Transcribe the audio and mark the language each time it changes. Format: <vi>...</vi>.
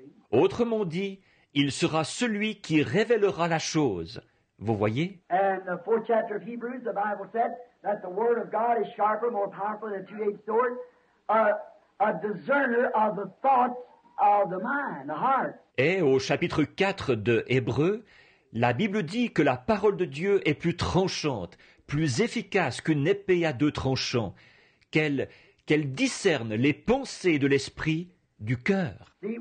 <fr>Autrement dit, il sera celui qui révélera la chose. Vous voyez?</fr> <en>And the fourth chapter of Hebrews, the Bible said that the word of God is sharper, more powerful than a two-edged sword, a discerner of the thoughts of the mind, the heart.</en> <fr>Et au chapitre 4 de Hébreux, la Bible dit que la parole de Dieu est plus tranchante, plus efficace qu'une épée à deux tranchants, qu'elle discerne les pensées de l'esprit du cœur.</fr>